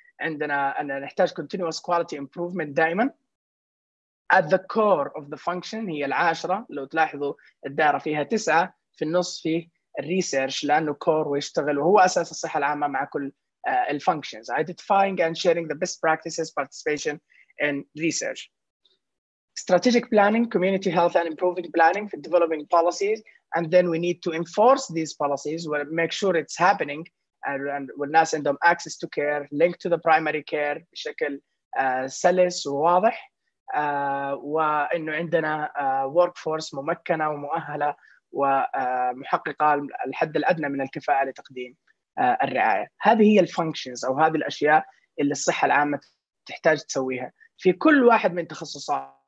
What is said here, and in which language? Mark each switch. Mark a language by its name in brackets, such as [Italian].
[Arabic] عندنا نحتاج [English] continuous quality improvement [Arabic] دائما. [English] At the core of the function [Arabic] هي العاشرة. لو تلاحظوا الدائرة فيها تسعة، في النص فيه research لأنه core ويشتغل وهو أساس الصحة العامة مع كل functions, [English] identifying and sharing the best practices, participation in research. Strategic planning, community health and improving planning for developing policies. And then we need to enforce these policies, we'll make sure it's happening and we'll not send them access to care, link to the primary care, [Arabic] بشكل سلس وواضح. وإنه عندنا workforce ممكنة ومؤهلة ومحققة الحد الأدنى من الكفاءة لتقديم الرعاية. هذه هي الفانكشنز أو هذه الأشياء اللي الصحة العامة تحتاج تسويها في كل واحد من تخصصاتها.